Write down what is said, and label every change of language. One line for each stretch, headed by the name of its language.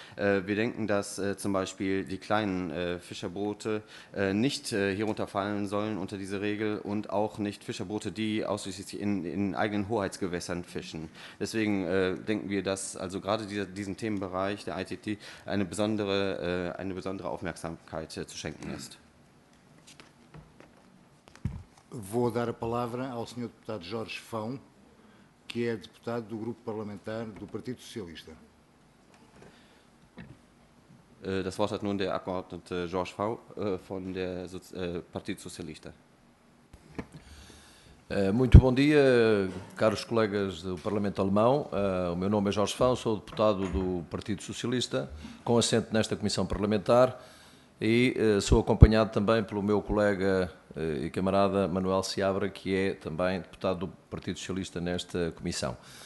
German: Wir denken, dass zum Beispiel die kleinen Fischerboote nicht hierunter fallen sollen unter diese Regel und auch nicht Fischerboote, die ausschließlich in eigenen Hoheitsgewässern fischen. Deswegen denken wir, dass also gerade diesen Themenbereich der ITT eine besondere Aufmerksamkeit zu schenken ist.
Portuguese: Vou dar a palavra ao Sr. Deputado Jorge Fão, que é deputado do Grupo Parlamentar do Partido Socialista.
German: Das Wort hat nun der Abgeordnete Jorge Fão, von der Partido Socialista.
Portuguese: Muito bom dia, caros colegas do Parlamento Alemão. O meu nome é Jorge Fão, sou deputado do Partido Socialista, com assento nesta Comissão Parlamentar. E sou acompanhado também pelo meu colega e camarada Manuel Seabra, que é também deputado do Partido Socialista nesta comissão.